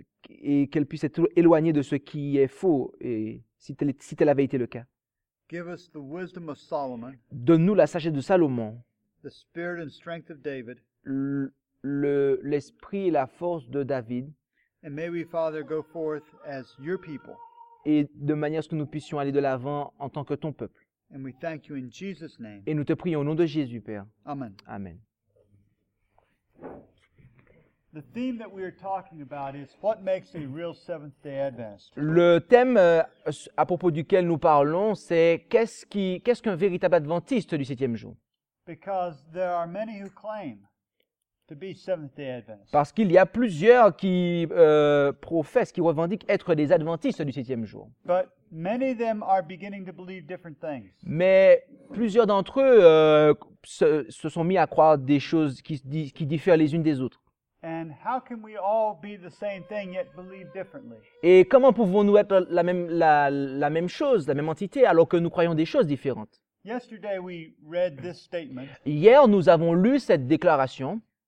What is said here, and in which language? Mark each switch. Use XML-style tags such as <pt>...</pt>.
<fr>Et qu'elle puisse être éloignée de ce qui est faux, et si telle avait été le cas.</fr> <en>Give us the wisdom of Solomon.</en> <fr>Donne-nous la sagesse de Salomon.</fr> <en>The spirit and strength of David.</en> <fr>L'esprit et la force de David.</fr> <en>And may we, Father, go forth as your people.</en> <fr>Et de manière à ce que nous puissions aller de l'avant en tant que ton peuple.</fr> <en>And we thank you in Jesus' name.</en> <fr>Et nous te prions au nom de Jésus, Père.</fr> <en>Amen.</en> <fr>Amen.</fr> <en>The theme that we are talking about is what makes a real Seventh-day Adventist.</en> <fr>Le thème à propos duquel nous parlons, c'est qu'est-ce qu'un véritable adventiste du septième jour?</fr> <en>Because there are many who claim to be Seventh-day Adventists.</en> <fr>Parce qu'il y a plusieurs qui revendiquent être des adventistes du septième jour.</fr> <en>But many of them are beginning to believe different things.</en> <fr>Mais plusieurs d'entre eux se sont mis à croire des choses qui diffèrent les unes des autres.</fr> <en>And how can we all be the same thing yet believe differently?</en> <fr>Et comment pouvons-nous être la même chose, la même entité, alors que nous croyons des choses différentes?</fr> <en>Yesterday we read this statement.</en> <fr>Hier, nous avons lu cette déclaration.</fr>